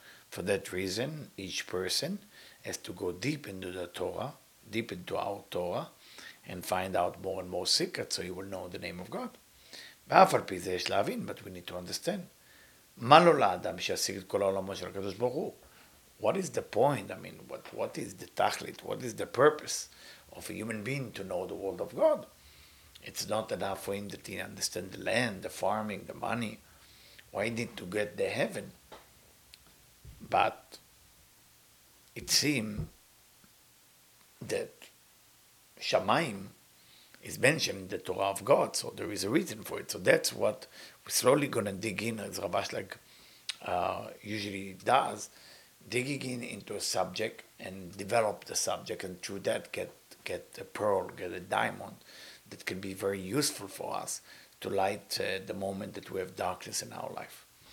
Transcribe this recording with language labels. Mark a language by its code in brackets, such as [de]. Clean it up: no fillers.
[en] For that reason, each person has to go deep into the Torah, deep into our Torah, and find out more and more secrets so he will know the name of God. But we need to understand. [he] מה לו לאדם שישיג את כל העולמו של הקדוש ברוך הוא? [en] What is the point? I mean, what is the tachlit? What is the purpose of a human being to know the world of God? It's not enough for him that he understand the land, the farming, the money. Why did to get the heaven? But it seems that Shamayim is mentioned in the Torah of God, so there is a reason for it. So that's what we're slowly going to dig in, as Rav Ashlag usually does, digging in into a subject and develop the subject, and through that get a pearl, get a diamond that can be very useful for us to light the moment that we have darkness in our life.